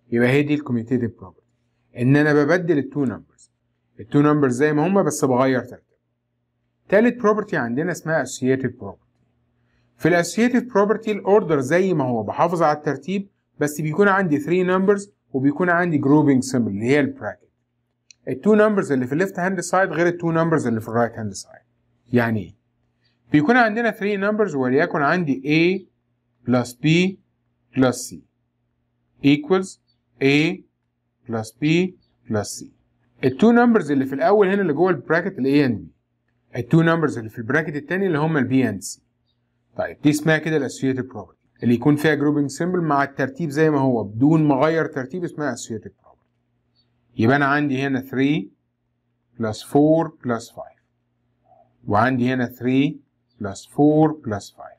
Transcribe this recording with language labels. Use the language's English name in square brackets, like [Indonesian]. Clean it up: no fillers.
[Arabic] يبقى هي دي الكوميتيتيف بروبرتي، ان انا ببدل الـ 2 numbers. الـ 2 numbers زي ما هما بس بغير ترتيبهم. تالت بروبرتي عندنا اسمها associative property. في الـ associative property الـ order زي ما هو بحافظ على الترتيب، بس بيكون عندي 3 numbers وبيكون عندي [English] grouping symbol [Arabic] اللي هي الـ bracket. [English] الـ 2 numbers اللي في left hand side [Arabic] غير الـ [English] 2 numbers اللي في right hand side. [Arabic] يعني بيكون عندنا [English] 3 numbers [Arabic] وليكن عندي [English] A plus B plus C equals A plus B plus C. [Arabic] الـ 2 numbers اللي في الأول هنا اللي جوه الـ bracket الـ [English] A and B. [Arabic] الـ 2 numbers اللي في الـ bracket التاني اللي هما الـ [English] B and C. [Arabic] طيب دي اسمها كده الاسوشيتيف بروبرتي اللي يكون فيها جروبنج سيمبل مع الترتيب زي ما هو بدون ما اغير ترتيب، اسمها الاسوشيتيف بروبرتي. يبقى انا عندي هنا [English] 3 plus 4 plus 5 [Arabic] وعندي هنا 3 plus 4 plus 5.